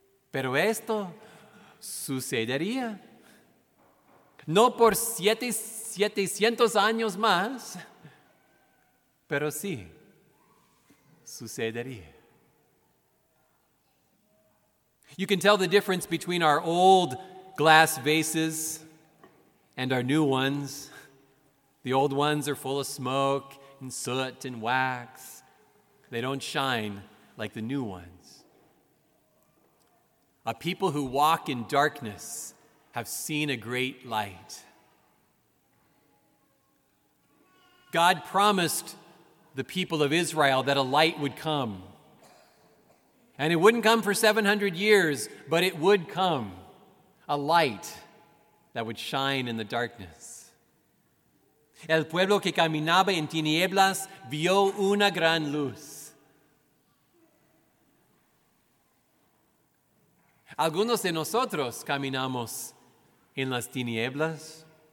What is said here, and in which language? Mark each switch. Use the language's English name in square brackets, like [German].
[Spanish] Pero esto sucedería, no por 700 años más, pero sí sucedería. [English] You can tell the difference between our old glass vases and our new ones. The old ones are full of smoke and soot and wax. They don't shine like the new ones. A people who walk in darkness have seen a great light. God promised the people of Israel that a light would come. And it wouldn't come for 700 years, but it would come. A light that would shine in the darkness. [Spanish] El pueblo que caminaba en tinieblas vio una gran luz. Algunos de nosotros caminamos en las tinieblas.